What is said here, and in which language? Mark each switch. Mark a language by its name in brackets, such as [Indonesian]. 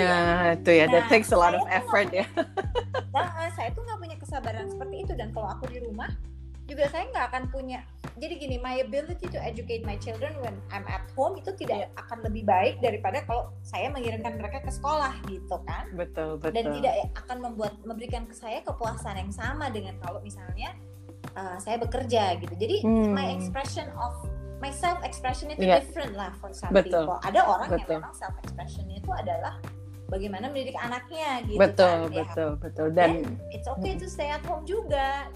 [Indonesian] Ya, itu ya, [English] that takes a lot of effort ya. [Indonesian] Saya tuh nggak punya kesabaran seperti itu, dan kalau aku di rumah juga saya nggak akan punya. Jadi gini, [English] my ability to educate my children when I'm at home [Indonesian] itu tidak akan lebih baik daripada kalau saya mengirimkan mereka ke sekolah gitu kan. Betul, betul. Dan tidak akan memberikan ke saya kepuasan yang sama dengan kalau misalnya saya bekerja gitu. [English] Jadi my expression of my self-expression itu different lah for some [Indonesian] betul [English] people. [Indonesian] Ada orang betul yang memang self-expressionnya itu adalah bagaimana mendidik anaknya gitu. Betul, kan, betul, ya, betul. Dan [English] it's okay to stay at home juga.